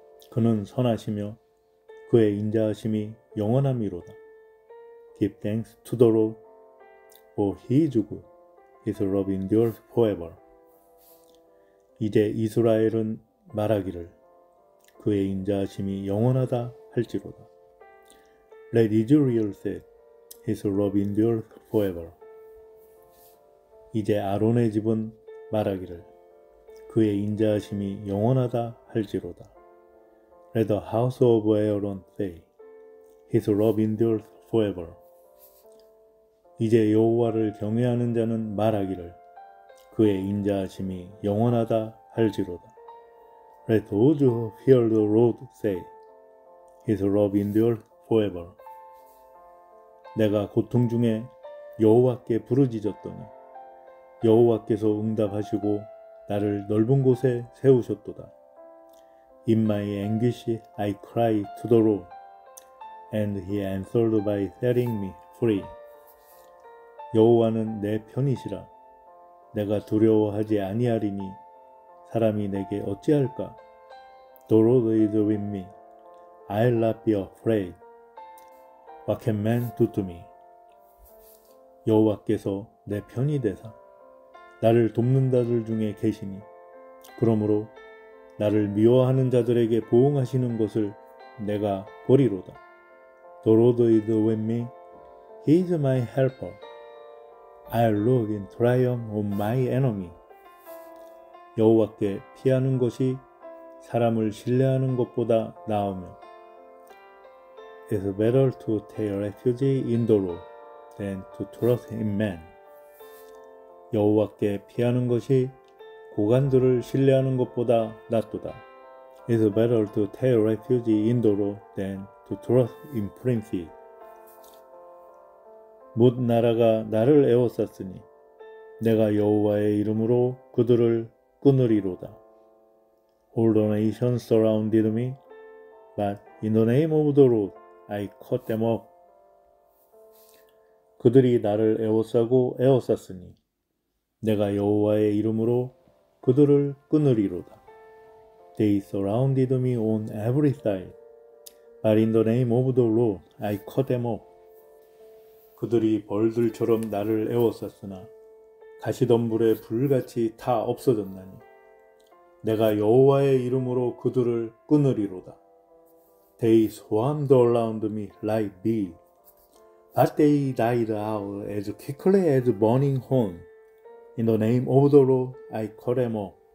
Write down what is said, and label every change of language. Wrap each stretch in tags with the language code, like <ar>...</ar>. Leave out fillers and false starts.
<ko>그는 선하시며 그의 인자하심이 영원함이로다.</ko> <en>Give thanks to the Lord, for he is good. His love endures forever.</en> <ko>이제 이스라엘은 말하기를 그의 인자하심이 영원하다 할지로다.</ko> <en>Let Israel say, His love endures forever.</en> <ko>이제 아론의 집은 말하기를 그의 인자하심이 영원하다 할지로다.</ko> <en>Let the house of Aaron say, His love endures forever.</en> <ko>이제 여호와를 경외하는 자는 말하기를 그의 인자하심이 영원하다 할지로다.</ko> <en>Let those who fear the Lord say, His love endures forever.</en> <ko>내가 고통 중에 여호와께 부르짖었더니 여호와께서 응답하시고 나를 넓은 곳에 세우셨도다.</ko> <en>In my anguish I cry to the Lord, and he answered by setting me free.</en> <ko>여호와는 내 편이시라. 내가 두려워하지 아니하리니 사람이 내게 어찌할까?</ko> <en>The Lord is with me. I'll not be afraid. What can man do to me?</en> <ko>여호와께서 내 편이 되사 나를 돕는 자들 중에 계시니 그러므로 나를 미워하는 자들에게 보응하시는 것을 내가 보리로다.</ko> <en>The Lord is with me. He is my helper. I'll look in triumph on my enemy.</en> <ko>여호와께 피하는 것이 사람을 신뢰하는 것보다 나으며</ko> <en>It's better to take refuge in the Lord than to trust in man.</en> <ko>여호와께 피하는 것이 고관들을 신뢰하는 것보다 낫도다.</ko> <en>It's better to take refuge in the Lord than to trust in princes.</en> <ko>뭇 나라가 나를 애워쌌으니 내가 여호와의 이름으로 그들을 끊으리로다.</ko> <en>All the nations surrounded me, but in the name of the Lord I cut them off.</en> <ko>그들이 나를 애워싸고 애워쌌으니 내가 여호와의 이름으로 그들을 끊으리로다.</ko> <en>They surrounded me on every side, but in the name of the Lord I cut them off.</en> <ko>그들이 벌들처럼 나를 애워쌌으나 가시덤불에 불같이 타 없어졌나니 내가 여호와의 이름으로 그들을 끊으리로다.</ko> <en>They swarmed around me like bees, but they died out as quickly as burning horn. In the name of the Lord, I call them up.</en>